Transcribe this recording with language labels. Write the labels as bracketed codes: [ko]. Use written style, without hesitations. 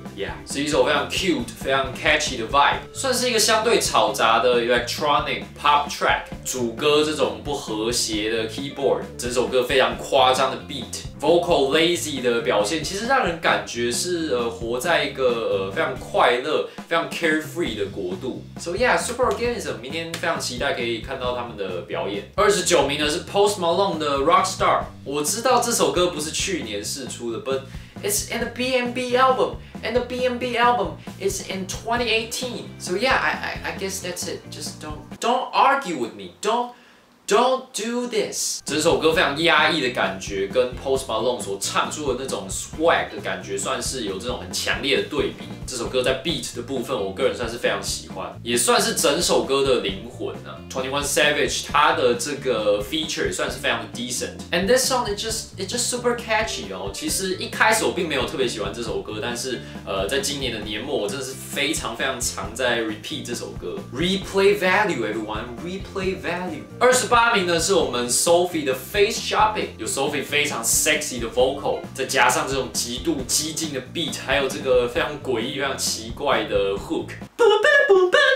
[zh] Yeah， 是一首非常 cute 非常 catchy 的 vibe， 算是一个相对吵杂的 electronic pop track， 主歌这种不和谐的 keyboard， 整首歌非常夸张的 beat， vocal lazy 的表现其实让人感觉是活在一个非常快乐非常 carefree 的国度。 So yeah， Super Organism 明天非常期待可以看到他们的表演。 29名呢是 Post Malone 的 Rockstar， 我知道这首歌不是去年释出的， [en] butIt's in the BMB album, and the BMB album is in 2018. So yeah, I guess that's it. Just don't argue with me. Don't do this. [zh] 整首歌非常压抑的感觉，跟 Post Malone 所唱出的那种 swag 的感觉，算是有这种很强烈的对比。这首歌在 beat 的部分，我个人算是非常喜欢，也算是整首歌的灵魂啊。 21 Savage 他的这个 feature 算是非常 decent， [en] and this song it just super catchy [zh] 哦。其实一开始我并没有特别喜欢这首歌，但是在今年的年末，我真的是非常非常常在 repeat 这首歌 ， [en] replay value everyone， replay value。 [zh] 28名呢是我们 Sophie 的 Face Shopping， 有 Sophie 非常 sexy 的 vocal， 再加上这种极度激进的 beat， 还有这个非常诡异、非常奇怪的 hook。